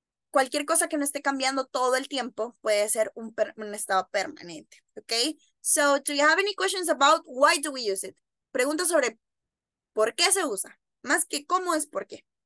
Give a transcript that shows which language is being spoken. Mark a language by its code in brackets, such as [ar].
[es] Cualquier cosa que no esté cambiando todo el tiempo puede ser un estado permanente, ¿ok? [en] So, do you have any questions about why do we use it? [es] Pregunta sobre por qué se usa, más que cómo es por qué.